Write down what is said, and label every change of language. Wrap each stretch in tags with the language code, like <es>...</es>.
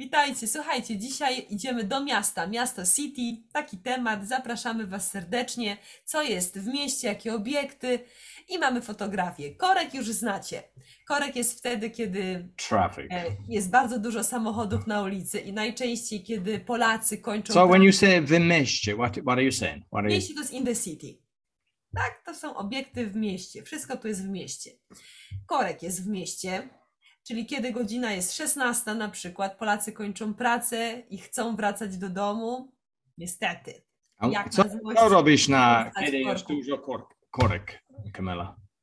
<pl>Witajcie, słuchajcie, dzisiaj idziemy do miasta, miasto City, taki temat, zapraszamy was serdecznie, co jest w mieście, jakie obiekty i mamy fotografię. Korek już znacie. Korek jest wtedy, kiedy</pl> <en>traffic.</en> <pl>Jest bardzo dużo samochodów na ulicy i najczęściej, kiedy Polacy kończą...</pl> <en>So when you say</en> <pl>w mieście,</pl> <en>what are you saying?</en> <pl>Mieście to jest</pl> <en>in the city.</en> <pl>Tak, to są obiekty w mieście. Wszystko tu jest w mieście. Korek jest w mieście, czyli kiedy godzina jest 16 na przykład, Polacy kończą pracę i chcą wracać do domu. Niestety. Jak co, złość, co robisz na kiedy jest dużo korek, Kamila?</pl>